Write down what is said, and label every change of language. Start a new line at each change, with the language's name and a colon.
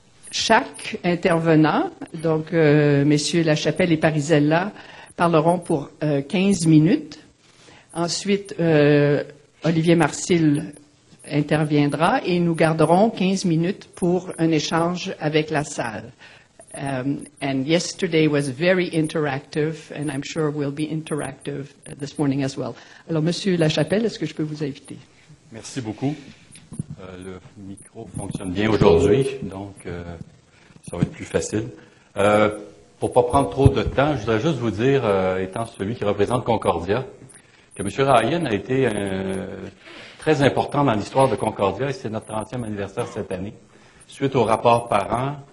French: Chaque intervenant, donc messieurs Lachapelle et Parisella, parleront pour 15 minutes. Ensuite, Olivier Marcil interviendra et nous garderons 15 minutes pour un échange avec la salle.
English: And yesterday was very interactive, and I'm sure will be interactive this morning as well.
French: Alors, Monsieur Lachapelle, est-ce que je peux vous inviter? Merci beaucoup. Le micro fonctionne bien aujourd'hui, donc ça va être plus facile. Pour ne pas prendre trop de temps, je voudrais juste vous dire, étant celui qui représente Concordia, que Monsieur Ryan a été très important dans l'histoire de Concordia, et c'est notre 30e anniversaire cette année, suite au rapport Parent.